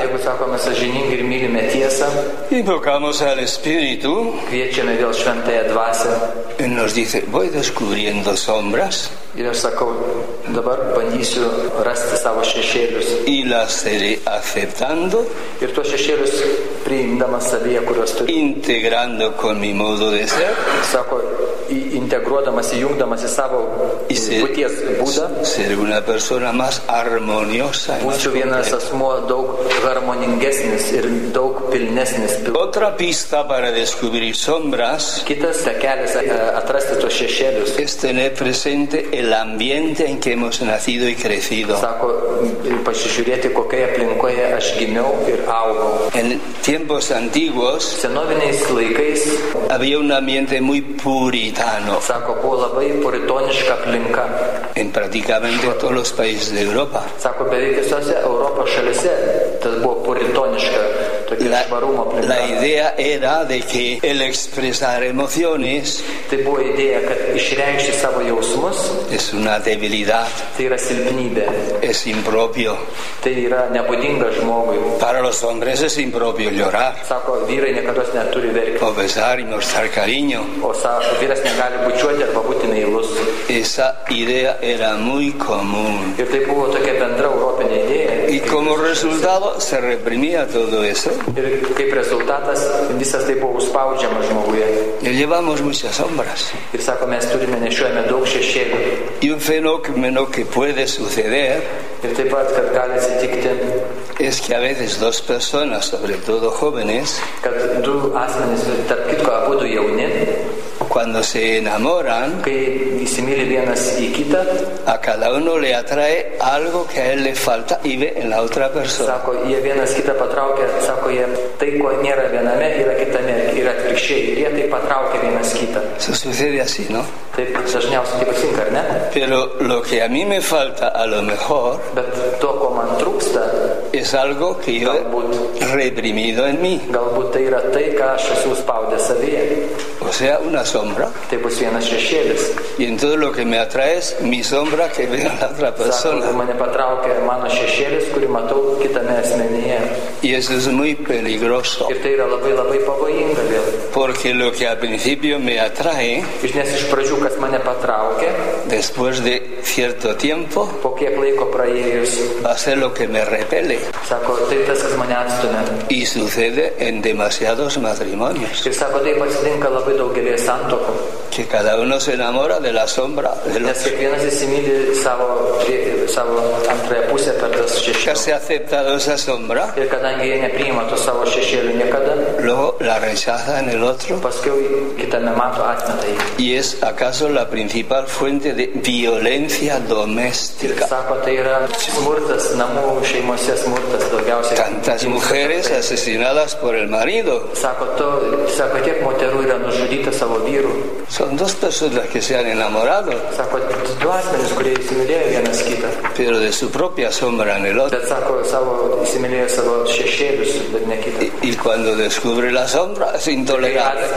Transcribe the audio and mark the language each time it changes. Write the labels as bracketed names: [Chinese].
[Lithuanian] Bet jeigu sakome sąžiningi ir mylime tiesą. [Spanish] Invocamos al Espíritu. [Lithuanian] Kviečiame vėl šventąją dvasią. [Spanish] Y nos dice, voy descubriendo sombras. [Lithuanian] Ir aš sakau, dabar bandysiu rasti savo šešėlius. [Spanish] Y las seré aceptando. [Lithuanian] Ir tuos šešėlius priimdamas savyje, kuriuos turiu. [Spanish] Integrando con mi modo de ser. [Lithuanian] Sako, integruodamas, įjungdamas į savo būties būdą. [Spanish] Seré una persona más harmoniosa. [Lithuanian] Būsiu vienas asmuo daug harmoningesnis ir daug pilnesnis. [Spanish] Otra pista para descubrir sombras. [Lithuanian] Kitas kelias atrasti tuos šešėlius. [Spanish] Es tener presente el ambiente en que hemos nacido y crecido. [Lithuanian] Sako, pasižiūrėti, kokioje aplinkoje aš gimiau ir augau. [Spanish] En tiempos antiguos, [Lithuanian] senoviniais laikais, [Spanish] había un ambiente muy puritano. [Lithuanian] Sako, buvo labai puritoniška aplinka. [Spanish] En prácticamente todos los países de Europa. [Lithuanian] Sako, beveik visose Europos šalise, tas buvo puritoniška. [Spanish] La idea era de que el expresar emociones, [Lithuanian] tai buvo idėja, kad išreikšti savo jausmus, [Spanish] es una debilidad, [Lithuanian] tai yra silpnybė, [Spanish] es impropio, [Lithuanian] tai yra nebūdinga žmogui. [Spanish] Para los hombres es impropio llorar, [Lithuanian] sako, vyrai niekados neturi verkti, [Spanish] o besar y mostrar cariño, [Lithuanian] o sako, vyras negali bučiuoti arba būti meilus. [Spanish] Esa idea era muy común. [Lithuanian] Ir tai buvo tokia bendra europinė idėja. [Spanish] Y como resultado se reprimía todo eso. [Lithuanian] Ir kaip rezultatas visas tai buvo užspaudžiama žmoguje. [Spanish] Ir llevamos muchas sombras. [Lithuanian] Ir sako, mes turime nešiojame daug šešėlių. [Spanish] Y un fenómeno que puede suceder. [Lithuanian] Ir taip pat, kad gali atsitikti. [Spanish] Es que a veces dos personas, sobre todo jóvenes. [Lithuanian] Kad du asmenys, tarp kitko abudu jauni. [Spanish] Cuando se enamoran, [Lithuanian] kai įsimyli vienas į kitą, [Spanish] a cada uno le atrae algo que a él le falta y ve en la otra persona. [Lithuanian] Sako, jie vienas kitą patraukia, sako jie, tai ko nėra viename, yra kitame, yra atvirkščiai, ir jie tai patraukia vienas kitą. [Spanish] Se sucede así, ¿no? [Lithuanian] Taip dažniausiai taip atsitinka, ar ne? [Spanish] Pero lo que a mí me falta, a lo mejor, [Lithuanian] bet to, ko man trūksta, [Spanish] es algo que yo [Lithuanian] galbūt, [Spanish] reprimido en mí. [Lithuanian] Galbūt tai yra tai, ką aš esu spaudę savyje. [Spanish] O sea, una sombra. [Lithuanian] Tai bus vienas šešėlis. [Spanish] Y en todo lo que me atrae es mi sombra que veo en la otra persona. [Lithuanian] Sako, mane patraukia mano šešėlis, kurį matau kitame asmenyje. [Spanish] Y eso es muy peligroso. [Lithuanian] Ir tai yra labai labai pavojinga vėl. [Spanish] Porque lo que al principio me atrae. [Lithuanian] Nes iš pradžių, kas mane patraukia. [Spanish] Después de cierto tiempo. [Lithuanian] Po kiek laiko praėjus. [Spanish] Va a ser lo que me repele. [Lithuanian] Sako, tai tas, kas mane atstumia. [Spanish] Y sucede en demasiados matrimonios. [Lithuanian] Ir sako, tai pasitinka labai daugelėje santokų. [Spanish] Que cada uno se enamora de la sombra de los. [Lithuanian] Nes kiekvienas įsimyli savo antrąją pusę per tas šešėlius. [Spanish] Se acepta esa sombra. [Lithuanian] Ir kadangi jie nepriima to savo šešėlių niekada. [Spanish] Luego la rechaza en el otro. [Lithuanian] Paskui kitame mato atmeta jį. [Spanish] Y es acaso la principal fuente de violencia doméstica. [Lithuanian] Ir sako, tai yra smurtas namų šeimose, smurtas daugiausiai. [Spanish] Tantas mujeres asesinadas por el marido. [Lithuanian] Sako, tiek moterų yra nužudyta savo vyrų. [Spanish] Son dos personas que se han enamorado. [Lithuanian] Sako, du asmenys, kurie įsimylėjo vienas kitą. [Spanish] Pero de su propia sombra en el otro. [Lithuanian] Bet sako, įsimylėjo savo šešėlius, bet ne kitą. [Spanish] Y cuando descubre la sombra, es intolerable.